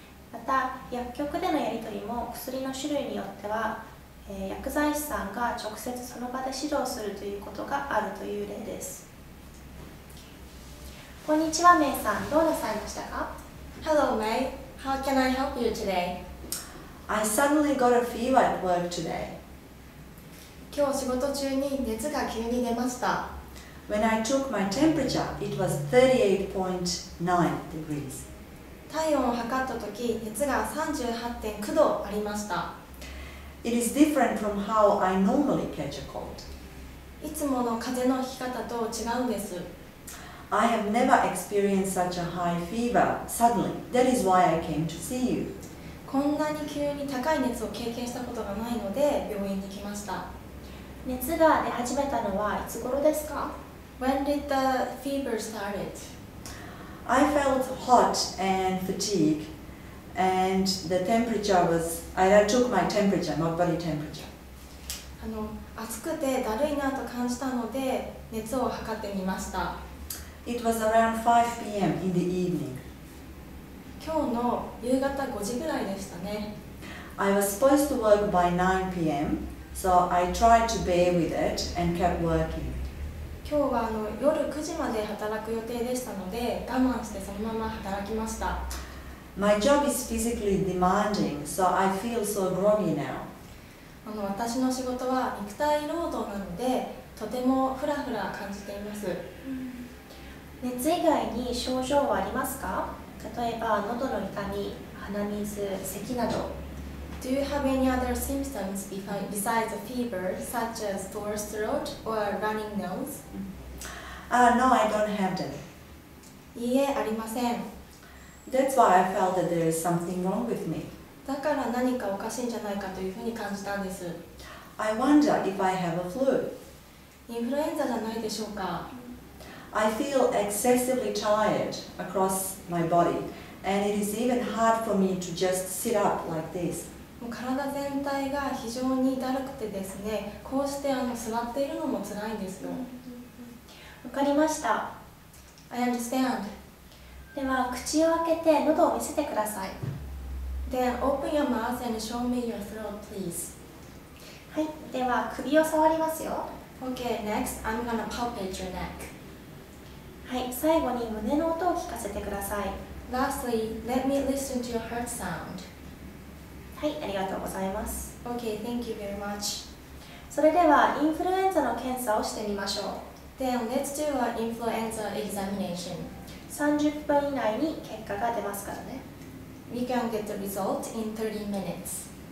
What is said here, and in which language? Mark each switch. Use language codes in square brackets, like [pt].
[ja] また、薬局でのやり取りも薬の種類によっては、薬剤師さんが直接その場で指導するということがあるという例です。こんにちは、メイさん。どうなさいましたか？ [en] Hello, May. How can I help you today? I suddenly got a fever at work today. [ja] 今日仕事中に熱が急に出ました。 [en] When I took my temperature, it was 38.9 degrees. [ja] 体温を測ったとき、熱が 38.9 度ありました。 [en] It is different from how I normally catch a cold. [ja] いつもの風邪の引き方と違うんです。 [en] I have never experienced such a high fever suddenly. That is why I came to see you. [ja] こんなに急に高い熱を経験したことがないので病院に来ました。熱が出始めたのはいつ頃ですか？ [en] When did the fever started? I felt hot and fatigued. And the temperature was, I took my temperature, not body temperature. [ja] 暑くてだるいなと感じたので熱を測ってみました。 [en] It was around 5 p.m. in the evening. [ja] 今日の夕方5時ぐらいでしたね。 [en] I was supposed to work by 9 p.m., so I tried to bear with it and kept working. [ja] 今日は夜9時まで働く予定でしたので我慢してそのまま働きました。 [en] My job is physically demanding, so I feel so groggy now. [ja] 私の仕事は肉体労働なので、とてもフラフラ感じています。熱以外に症状はありますか？例えば、喉の痛み、鼻水、咳など。 [en] Do you have any other symptoms besides a fever, such as sore throat or running nose? No, I don't have them. [ja] いいえ、ありません。 [en] That's why I felt that there is something wrong with me. [ja] だから何かおかしいんじゃないかというふうに感じたんです。 [en] I wonder if I have a flu. [ja] インフルエンザじゃないでしょうか。 [en] I feel excessively tired across my body, and it is even hard for me to just sit up like this. [ja] もう体全体が非常にだるくてですね、こうして座っているのもつらいんですよ。わかりました。 [en] I understand. [ja] では口を開けて喉を見せてください。 [en] Then open your mouth and show me your throat, please. [ja] はい、では首を触りますよ。 [en] Okay, next I'm gonna palpate your neck. [ja] はい、最後に胸の音を聞かせてください。 [en] Lastly, let me listen to your heart sound. [ja] はい、ありがとうございます。 [en] Okay, thank you very much. [ja] それではインフルエンザの検査をしてみましょう。 [en] Then let's do an influenza examination. [ja] 30分以内に結果が出ますからね。 [en] We can get the result in 30 minutes.